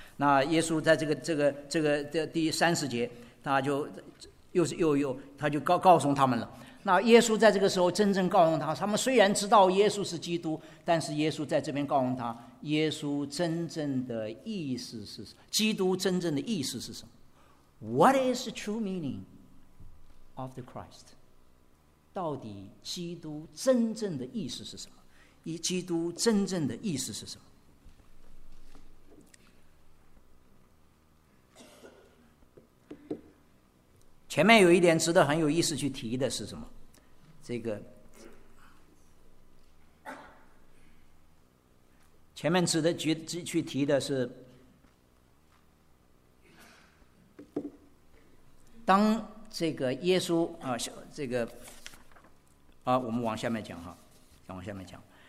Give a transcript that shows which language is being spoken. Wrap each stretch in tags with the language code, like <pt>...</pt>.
<zh>那耶稣在这个第三十节，他就又他就告诉他们了。那耶稣在这个时候真正告诉他，他们虽然知道耶稣是基督，但是耶稣在这边告诉他，耶稣真正的意思是什么？基督真正的意思是什么？</zh> <en>What is the true meaning of the Christ?</en> <zh>到底基督真正的意思是什么？基督真正的意思是什么？前面有一点值得很有意思去提的是什么？这个前面值得去提的是，当这个耶稣啊，这个啊，我们往下面讲哈，再往下面讲。</zh>